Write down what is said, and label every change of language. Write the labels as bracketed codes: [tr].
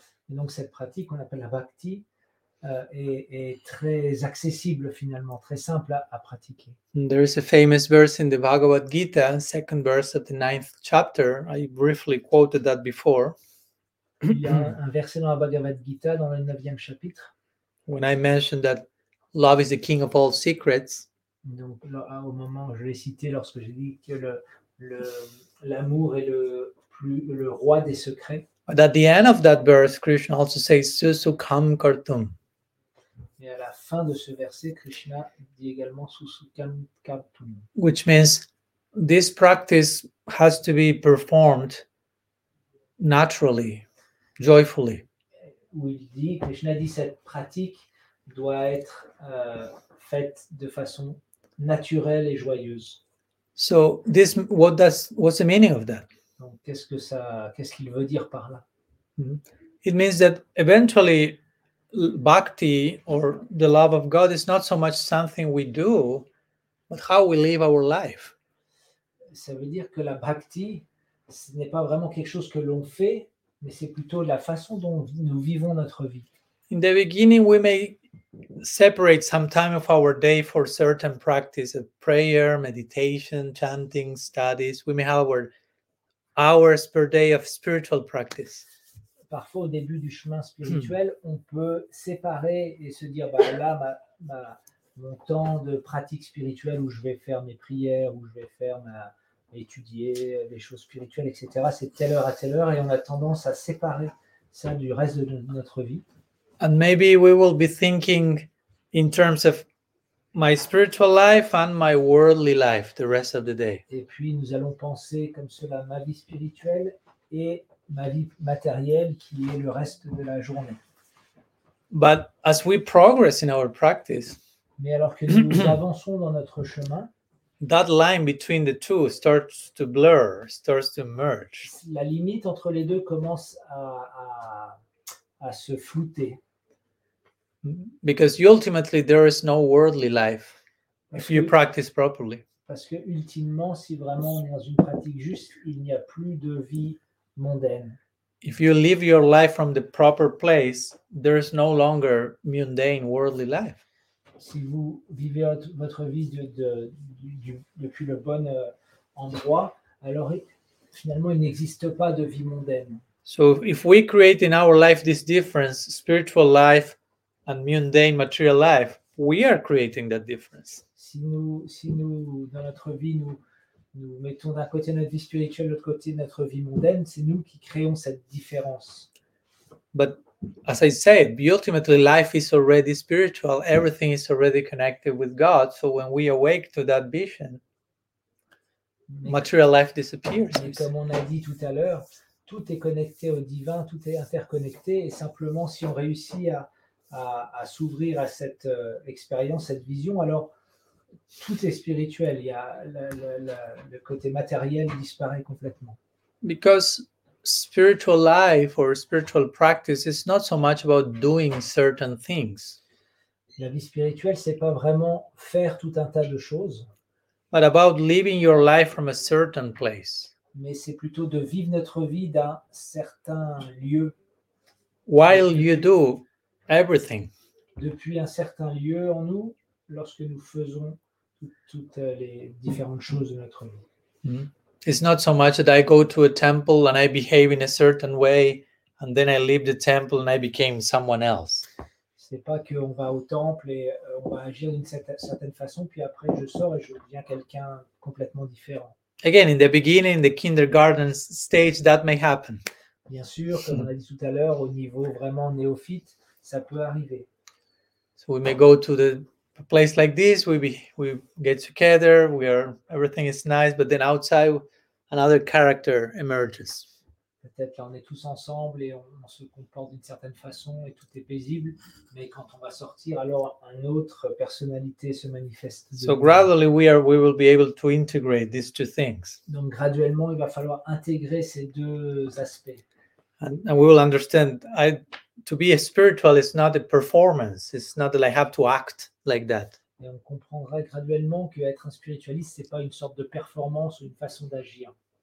[fr] Et donc cette pratique qu'on appelle la bhakti est très accessible finalement, très simple à pratiquer. [en] There is a famous verse in the Bhagavad Gita, second verse of the ninth chapter. I briefly quoted that before. [fr] Il y a un verset dans la Bhagavad Gita dans le neuvième chapitre. [en] When I mentioned that love is the king of all secrets. [fr] Donc au moment où je l'ai cité, lorsque j'ai dit que l'amour est le roi des secrets. [en] But at the end of that verse, Krishna also says, [sa] Susukham kartum. [fr] Et à la fin de ce verset, Krishna dit également [sa] Susukham kartum. [en] Which means this practice has to be performed naturally, joyfully. [fr] Où il dit, Krishna dit, cette pratique doit être faite de façon naturelle et joyeuse. [en] So, what's the meaning of that? [fr] Donc, qu'est-ce qu'il veut dire par là? [en] It means that eventually bhakti or the love of God is not so much something we do, but how we live our life. [fr] Ça veut dire que la bhakti, ce n'est pas vraiment quelque chose que l'on fait, mais c'est plutôt la façon dont nous vivons notre vie. [en] In the beginning, we may separate some time of our day for certain practice of prayer, meditation, chanting, studies. We may have our hours per day of spiritual practice. [fr] Parfois, au début du chemin spirituel, on peut séparer et se dire, bah, là, mon temps de pratique spirituelle où je vais faire mes prières, où je vais faire étudier les choses spirituelles, etc., c'est telle heure à telle heure, et on a tendance à séparer ça du reste de notre vie. [en] And maybe we will be thinking in terms of my spiritual life and my worldly life the rest of the day. [fr] Et puis, nous allons penser comme cela ma vie spirituelle et ma vie matérielle qui est le reste de la journée. [en] But as we progress in our practice, [fr] mais alors que nous avançons dans notre chemin, [en] that line between the two starts to blur, starts to merge. [fr] La limite entre les deux commence à se flouter. [en] Because ultimately there is no worldly life if you practice properly. [fr] Parce que ultimement, si vraiment on est dans une pratique juste, il n'y a plus de vie mondaine. [en] If you live your life from the proper place, there is no longer mundane worldly life. [fr] Si vous vivez votre vie depuis le bon endroit, alors finalement il n'existe pas de vie mondaine. [en] So if we create in our life this difference, spiritual life and mundane material life, we are creating that difference. [fr] Si nous dans notre vie nous mettons d'un côté notre vie spirituelle, de l'autre côté notre vie mondaine, c'est nous qui créons cette différence. [en] But as I said, ultimately life is already spiritual, everything is already connected with God, so when we awake to that vision, material life disappears. [fr] Mais comme on a dit tout à l'heure, tout est connecté au divin, tout est interconnecté, et simplement si on réussit à s'ouvrir à cette expérience, cette vision, alors tout est spirituel, il y a le côté matériel disparaît complètement. [en] Because spiritual life or spiritual practice is not so much about doing certain things. [fr] La vie spirituelle, c'est pas vraiment faire tout un tas de choses. [en] But about living your life from a certain place. [fr] Mais c'est plutôt de vivre notre vie d'un certain lieu. [en] While you do everything. [fr] Depuis un certain lieu en nous, lorsque nous faisons toutes les différentes choses de notre vie. [en] It's not so much that I go to a temple and I behave in a certain way and then I leave the temple and I became someone else. [fr] C'est pas que on va au temple et on va agir d'une certaine façon puis après je sors et je deviens quelqu'un complètement différent. [en] Again, in the beginning, the kindergarten stage, that may happen. [fr] Bien sûr, comme on a dit tout à l'heure, au niveau vraiment néophyte, ça peut arriver. [en] So we may go to the a place like this, we get together, everything is nice, but then outside another character emerges. [fr] Peut-être là, on est tous ensemble et on se comporte d'une certaine façon et tout est paisible. Mais quand on va sortir, alors une autre personnalité se manifeste. [en] So gradually we will be able to integrate these two things. [fr] Donc graduellement, il va falloir intégrer ces deux aspects. [en] And we will understand, to be a spiritual is not a performance. It's not that I have to act like that. [fr] Et on comprendra graduellement qu'être un spiritualiste, ce n'est pas une sorte de performance ou une façon d'agir.